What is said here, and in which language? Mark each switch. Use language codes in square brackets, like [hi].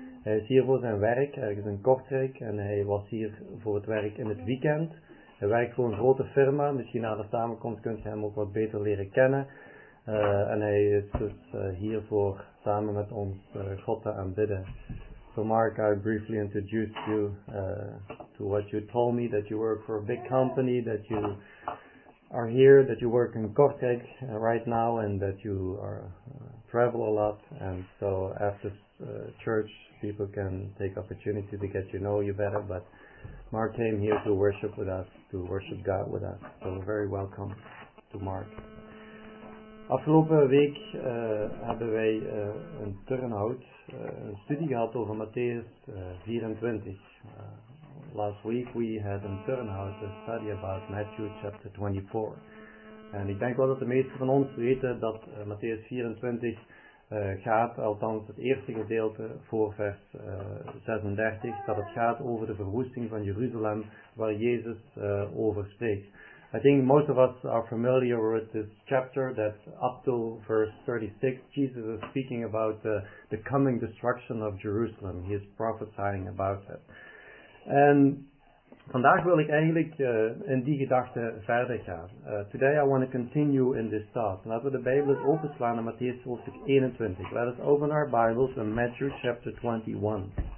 [nl] Hij is hier voor zijn werk, ergens in Kortrijk, en hij was hier voor het werk in het weekend. Hij werkt voor een grote firma, misschien na de samenkomst kunt je hem ook wat beter leren kennen. En hij is dus hiervoor samen met ons God te aanbidden. [en] So Mark, I briefly introduced you to what you told me, that you work for a big company, that you are here, that you work in Kortrijk right now, and that you are travel a lot. And so after church, people can take opportunity to get to know you better. But Mark came here to worship with us, to worship God with us. So very welcome to Mark. [nl] Afgelopen week hebben wij een turnhout, een studie gehad over Matthäus 24. [en] Last week we had [nl] een turnhout, [en] a study about Matthew chapter 24. [nl] En ik denk wel dat de meesten van ons weten dat Matthäus 24 gaat, althans het eerste gedeelte voor vers 36, dat het gaat over de verwoesting van Jeruzalem waar Jezus over spreekt. [en] I think most of us are familiar with this chapter, that up to verse 36, Jesus is speaking about the coming destruction of Jerusalem. He is prophesying about it. [nl] And vandaag wil ik eigenlijk in die gedachte verder gaan. [en] Today I want to continue in this thought. [nl] Laten we de Bijbel eens openslaan in Matthäus hoofdstuk 21. [en] Let us open our Bibles in Matthew chapter 21.